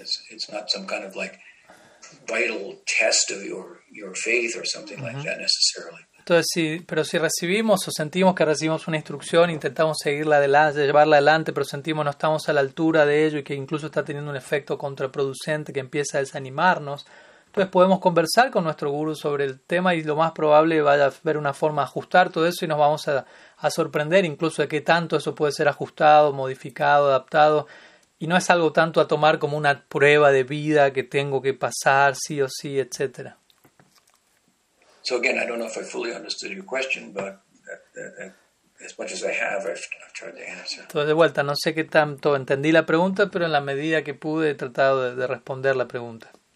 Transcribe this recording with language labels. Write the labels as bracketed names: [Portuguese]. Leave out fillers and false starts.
[English] It's not some kind of like vital test of your faith or something like that necessarily. [Spanish] Entonces, si recibimos o sentimos que recibimos una instrucción, intentamos seguirla adelante, llevarla adelante, pero sentimos no estamos a la altura de ello y que incluso está teniendo un efecto contraproducente que empieza a desanimarnos, entonces podemos conversar con nuestro guru sobre el tema y lo más probable vaya a haber una forma de ajustar todo eso y nos vamos a sorprender incluso de qué tanto eso puede ser ajustado, modificado, adaptado. Y no es algo tanto a tomar como una prueba de vida que tengo que pasar, sí o sí, etc. [English] So again, I don't know if I fully understood your question, but as much as I have, I've tried to answer. [Spanish] Entonces, de vuelta, no sé qué tanto entendí la pregunta, pero en la medida que pude he tratado de responder la pregunta.